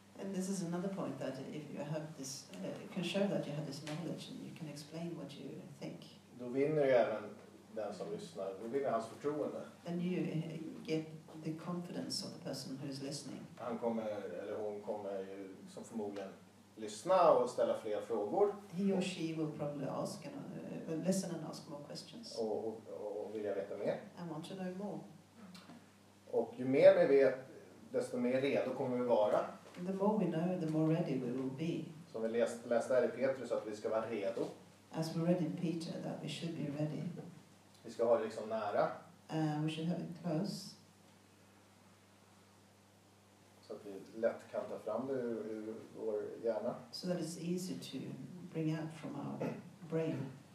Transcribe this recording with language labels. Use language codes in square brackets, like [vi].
[en] And this is another point that if you have this, can show that you have this knowledge and you can explain what you think. [sv] Då vinner ju även den som lyssnar, då vinner hans förtroende. [en] And you get the confidence of the person who is listening. [sv] Han kommer, eller hon kommer ju som förmodligen lyssna och ställa fler frågor. [en] He or she will probably ask and listen and ask more questions. [sv] Och vilja veta mer. [en] And want to know more. [sv] Och ju mer vi vet, desto mer redo kommer vi vara. [en] The more we know, the more ready we will be. [sv] Som vi läste här i Petrus att vi ska vara redo. [en] As we read in Peter that we should be ready. [sv] Vi ska ha det liksom nära. [en] We should have it close. [sv] Så att vi lätt kan ta fram det ur vår hjärna. [en] So that it's easy to bring out from our brain.